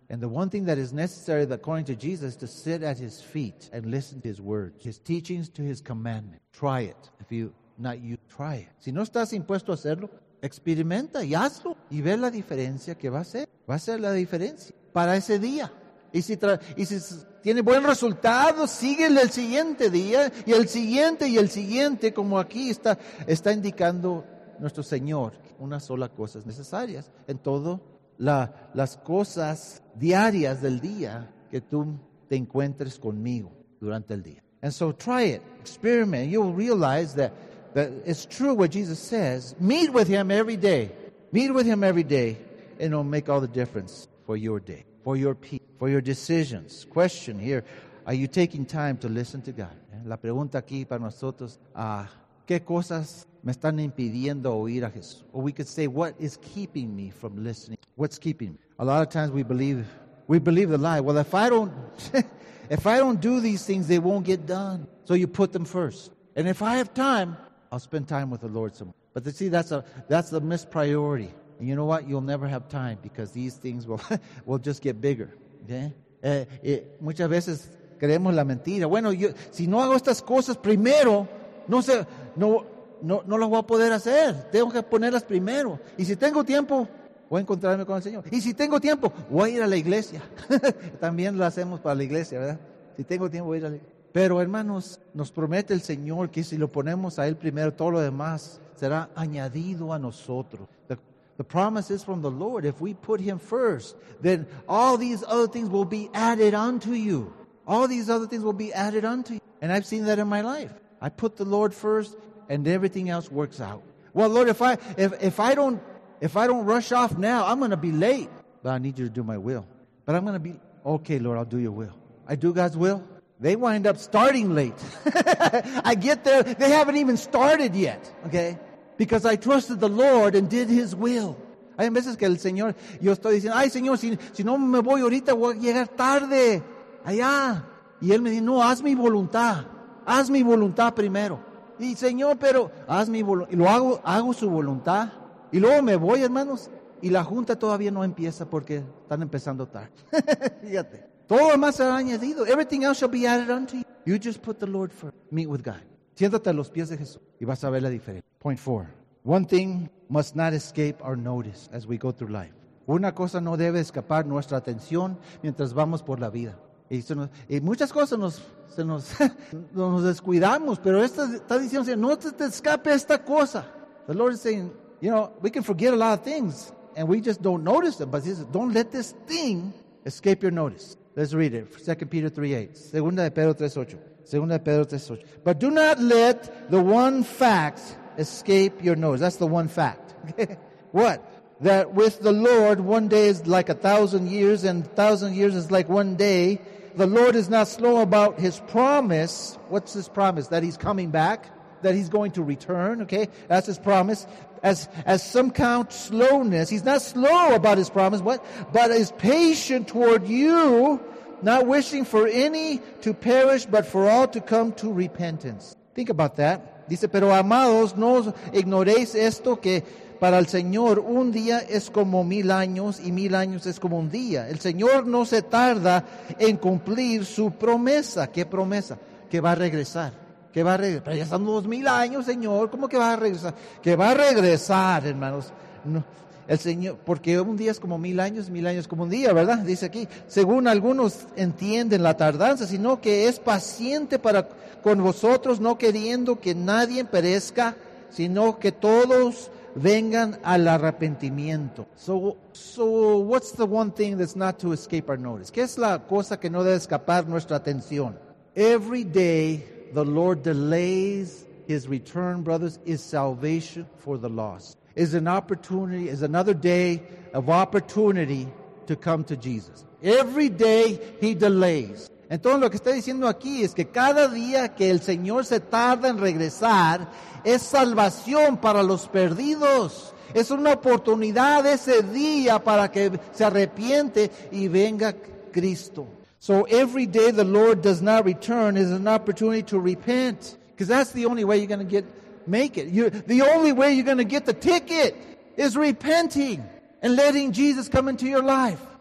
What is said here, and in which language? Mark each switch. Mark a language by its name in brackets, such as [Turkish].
[English] And the one thing that is necessary, according to Jesus, is to sit at his feet and listen to his words, his teachings, to his commandment. Try it. Try it. [Spanish] Si no estás impuesto a hacerlo, experimenta y hazlo y ve la diferencia que va a ser. Va a ser la diferencia para ese día. Y si tiene buen resultado, síguele el siguiente día y el siguiente, como aquí está indicando nuestro Señor. Una sola cosa es necesaria en todas las cosas diarias del día que tú te encuentres conmigo durante el día. [English] And so try it, experiment. You'll realize that it's true what Jesus says. Meet with him every day. Meet with him every day, and it'll make all the difference for your day, for your peace, for your decisions. Question here, are you taking time to listen to God? [Spanish] La pregunta aquí para nosotros, ¿qué cosas me están impidiendo oír a Jesús? [English] Or we could say, what is keeping me from listening? What's keeping me? A lot of times we believe the lie. Well, if I don't do these things, they won't get done. So you put them first. And if I have time, I'll spend time with the Lord some more. But see, that's the missed priority. And you know what? You'll never have time because these things will will just get bigger. [Spanish] Okay? Muchas veces creemos la mentira. Bueno, yo, si no hago estas cosas primero, no sé, no las voy a poder hacer. Tengo que ponerlas primero. Y si tengo tiempo, voy a encontrarme con el Señor. Y si tengo tiempo, voy a ir a la iglesia. También lo hacemos para la iglesia, ¿verdad? Si tengo tiempo, voy a ir a la iglesia. Pero hermanos, nos promete el Señor que si lo ponemos a Él primero, todo lo demás será añadido a nosotros. [English] The promise is from the Lord. If we put Him first, then all these other things will be added unto you. All these other things will be added unto you. And I've seen that in my life. I put the Lord first and everything else works out. Well, Lord, if I don't rush off now, I'm going to be late. But I need you to do my will. But I'm going to be, okay, Lord, I'll do your will. I do God's will. They wind up starting late. I get there, they haven't even started yet, okay? Because I trusted the Lord and did His will. [Spanish] Hay veces que el Señor, yo estoy diciendo, ay, Señor, si no me voy ahorita, voy a llegar tarde allá. Y Él me dice, no, haz mi voluntad primero. Y Señor, pero haz mi voluntad, y lo hago su voluntad. Y luego me voy, hermanos, y la junta todavía no empieza porque están empezando tarde. Fíjate. Todo más será añadido. [English] Everything else shall be added unto you. You just put the Lord first. Meet with God. [Spanish] Siéntate a los pies de Jesús y vas a ver la diferencia. [English] Point four. One thing must not escape our notice as we go through life. [Spanish] Una cosa no debe escapar nuestra atención mientras vamos por la vida. Y muchas cosas nos descuidamos, pero esta está diciendo, no te escape esta cosa. [English] The Lord is saying, you know, we can forget a lot of things and we just don't notice them. But He says, don't let this thing escape your notice. Let's read it. 2 Peter 3:8. 2 Pedro 3:8. But do not let the one fact escape your notice. That's the one fact. What? That with the Lord, one day is like 1,000 years, and 1,000 years is like one day. The Lord is not slow about His promise. What's His promise? That He's coming back. That He's going to return. Okay? That's His promise. As some count slowness. He's not slow about His promise. What? But is patient toward you, not wishing for any to perish, but for all to come to repentance. Think about that. [Spanish] Dice, pero amados, no ignoréis esto, que para el Señor un día es como 1,000 años, y 1,000 años es como un día. El Señor no se tarda en cumplir su promesa. ¿Qué promesa? Que va a regresar. Que va a regresar. Pero ya están 2,000 años, Señor. ¿Cómo que va a regresar? Que va a regresar, hermanos. No. El Señor, porque un día es como 1,000 años, 1,000 años como un día, ¿verdad? Dice aquí, según algunos entienden la tardanza, sino que es paciente para con vosotros, no queriendo que nadie perezca, sino que todos vengan al arrepentimiento. [English] So what's the one thing that's not to escape our notice? [Spanish] ¿Qué es la cosa que no debe escapar nuestra atención? [English] Every day the Lord delays His return, brothers, is salvation for the lost. Is an opportunity, is another day of opportunity to come to Jesus. Every day He delays. [Spanish] Entonces lo que está diciendo aquí es que cada día que el Señor se tarda en regresar es salvación para los perdidos. Es una oportunidad ese día para que se arrepiente y venga Cristo. [English] So every day the Lord does not return is an opportunity to repent. Because that's the only way you're going to get... Make it. The only way you're going to get the ticket is repenting and letting Jesus come into your life.